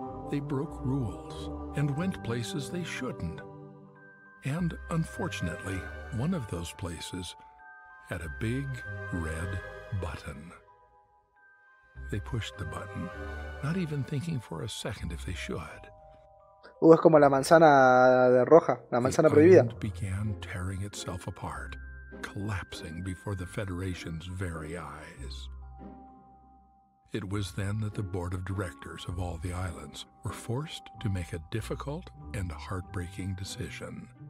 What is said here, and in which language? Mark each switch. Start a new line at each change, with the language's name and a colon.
English: they broke rules and went places they shouldn't. And unfortunately, one of those places had a big red button. They pushed the button, not even thinking for a second if they should.
Spanish: Es como la manzana de roja, la manzana prohibida.
English: The island began tearing itself apart, collapsing before the Federation's very eyes. It was then that the board of directors of all the islands were forced to make a difficult and heartbreaking decision.